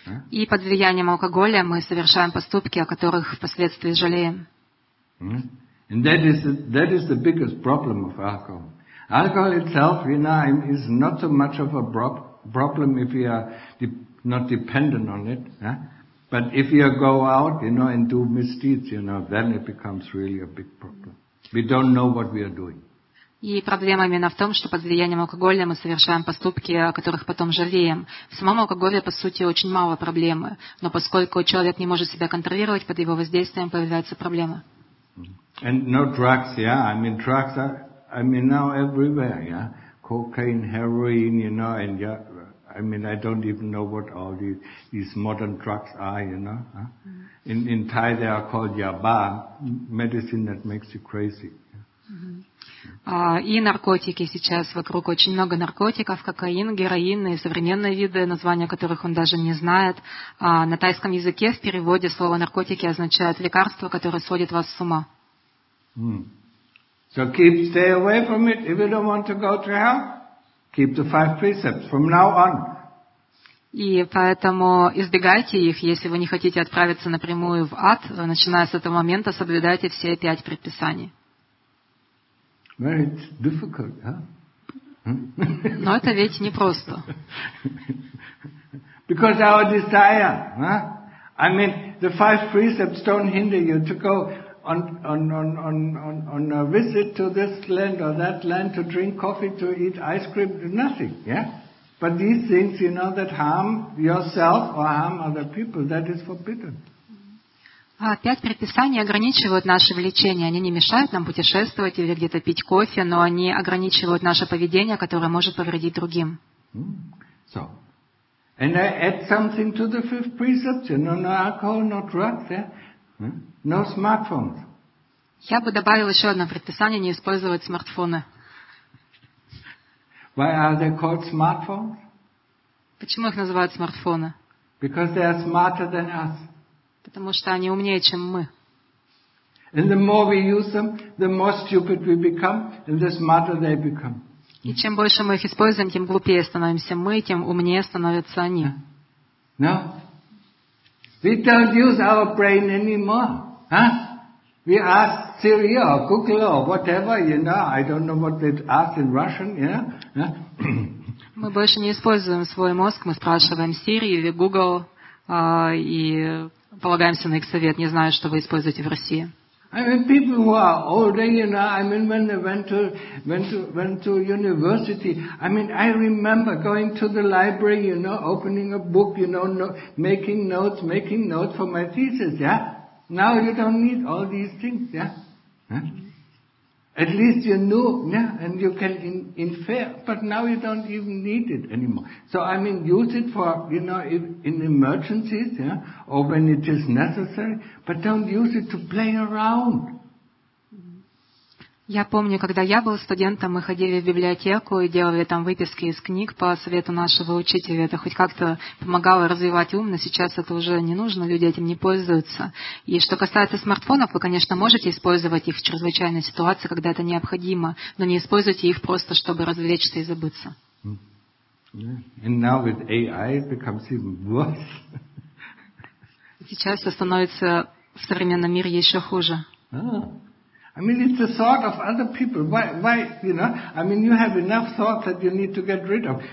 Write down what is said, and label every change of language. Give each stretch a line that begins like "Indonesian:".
Russian: И под влиянием алкоголя мы совершаем поступки, о которых впоследствии жалеем.
English: And that is the biggest problem of alcohol. Alcohol itself, you know, is not so much of a problem if you are not dependent on it. Yeah? But if you go out, you know, and do misdeeds, you know, then it becomes really a big problem. We don't know what we are doing.
Russian: И проблема именно в том, что под влиянием алкоголя мы совершаем поступки, о которых потом жалеем. В самом алкоголе, по сути, очень мало проблемы. Но поскольку человек не может себя контролировать, под его воздействием появляются проблемы.
English: And no drugs, yeah. I mean, drugs are, I mean, now everywhere, yeah. Cocaine, heroin, you know, and yeah. I mean, I don't even know what all these modern drugs are, you know. Huh? Mm-hmm. In Thai, they are called yaba, medicine that makes you crazy.
Russian: И наркотики сейчас вокруг. Очень много наркотиков, кокаин, героин и современные виды, названия которых он даже не знает. На тайском языке в переводе слово «наркотики» означает лекарство, которое сводит вас с ума.
English: So keep, stay away from it. If you don't want to go to hell, keep the five precepts from now on.
Russian: И поэтому избегайте их, если вы не хотите отправиться напрямую в ад, начиная с этого момента, соблюдайте все пять предписаний.
English: Well, it's difficult, huh?
Russian: Но это ведь непросто.
English: Because our desire, huh? I mean, the five precepts don't hinder you to go on a visit to this land or that land, to drink coffee, to eat ice cream, nothing, yeah? But these things, you know, that harm yourself or harm other people, that is forbidden.
Russian: Пять предписаний ограничивают наши влечения. Они не мешают нам путешествовать или где-то пить кофе, но они ограничивают наше поведение, которое может повредить другим.
English: So, and I add something to the fifth precept. No alcohol, no drugs, yeah? No smartphones.
Russian: Я бы добавил еще одно предписание: не использовать смартфоны.
English: Why are they called smartphones?
Russian: Почему их называют смартфоны?
English: Because they are smarter than us.
Russian: Потому что они умнее, чем мы.
English: And the more we use them, the more stupid we become, and the smarter they become.
Russian: И чем больше мы их используем, тем глупее становимся мы, тем умнее становятся они.
English: No. We don't use our brain anymore, huh? We ask Siri or Google or whatever, you know. I don't know what they ask in Russian, yeah.
Russian: Мы больше не используем свой мозг, мы спрашиваем Siri или Google и полагаемся на их совет, не знаю, что вы используете в России.
English: I mean, people who are older, you know, I mean, when they went to university, I mean, I remember going to the library, you know, opening a book, you know, making notes for my thesis, yeah? Now you don't need all these things, yeah? Huh? At least you knew, yeah, and you can infer, but now you don't even need it anymore. So, I mean, use it for, you know, in emergencies, yeah, or when it is necessary, but don't use it to play around.
Russian: Я помню, когда я был студентом, мы ходили в библиотеку и делали там выписки из книг по совету нашего учителя. Это хоть как-то помогало развивать ум, но сейчас это уже не нужно, люди этим не пользуются. И что касается смартфонов, вы, конечно, можете использовать их в чрезвычайной ситуации, когда это необходимо, но не используйте их просто, чтобы развлечься и забыться.
English: And now with AI it becomes even worse.
Russian: Сейчас это становится в современном мире еще хуже.
English: I mean, it's the thought of other people. Why, you know? I mean, you have enough thoughts that you need to get rid of.